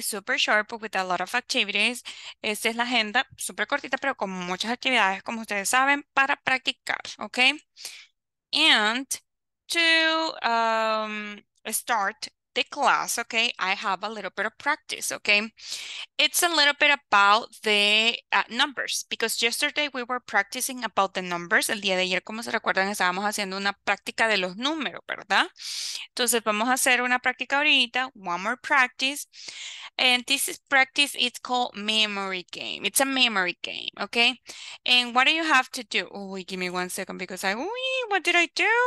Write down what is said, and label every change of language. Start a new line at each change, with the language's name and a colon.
English: Super short, but with a lot of activities.
Spanish: Esta es la agenda, super cortita, pero con muchas actividades, como ustedes saben, para practicar, okay?
English: And to start the class, okay? I have a little bit of practice, okay? It's a little bit about the numbers, because yesterday we were practicing about the numbers.
Spanish: El día de ayer, como se recuerdan, estábamos haciendo una práctica de los números, ¿verdad? Entonces, vamos a hacer una práctica ahorita,
English: one more practice. And this is practice, it's called memory game. It's a memory game, okay? And what do you have to do? Oh, give me 1 second, because what did I do?